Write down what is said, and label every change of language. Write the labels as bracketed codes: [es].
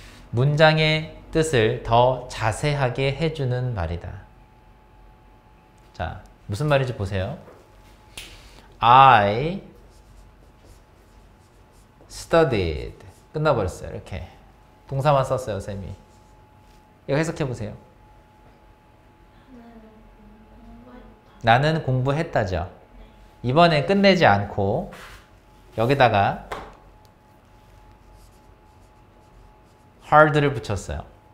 [ko] 문장의 뜻을 더 자세하게 해주는 말이다. 자 무슨 말인지 보세요. [en] I studied [ko] 끝나버렸어요. 이렇게 동사만 썼어요 쌤이. 이거 해석해 보세요. 나는 공부했다죠. 이번에 끝내지 않고 여기다가 hard를 붙였어요.